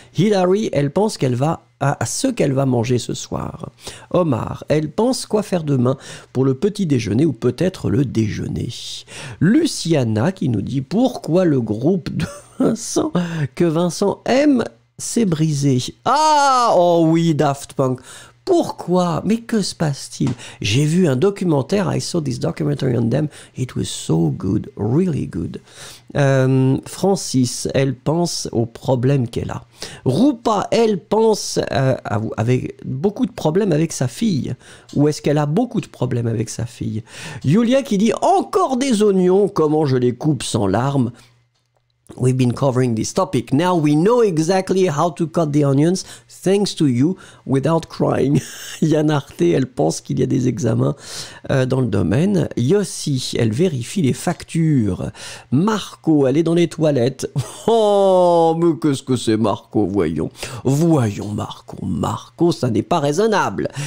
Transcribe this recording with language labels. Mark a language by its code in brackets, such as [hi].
[fr] Hillary, elle pense qu'elle va à ce qu'elle va manger ce soir. Omar, elle pense quoi faire demain pour le petit déjeuner ou peut-être le déjeuner. Luciana qui nous dit pourquoi le groupe de Vincent que Vincent aime s'est brisé. Ah, oh oui, Daft Punk. Pourquoi? Mais que se passe-t-il? J'ai vu un documentaire, [en] I saw this documentary on them, it was so good, really good. [fr] Francis, elle pense au problème qu'elle a. Rupa, elle pense avec beaucoup de problèmes avec sa fille. Ou est-ce qu'elle a beaucoup de problèmes avec sa fille? Julia qui dit, encore des oignons, comment je les coupe sans larmes? [en] We've been covering this topic. Now we know exactly how to cut the onions, thanks to you, without crying. [fr] Yann Arte, elle pense qu'il y a des examens dans le domaine. Yossi, elle vérifie les factures. Marco, elle est dans les toilettes. Oh, mais qu'est-ce que c'est, Marco, voyons. Voyons, Marco, Marco, ça n'est pas raisonnable.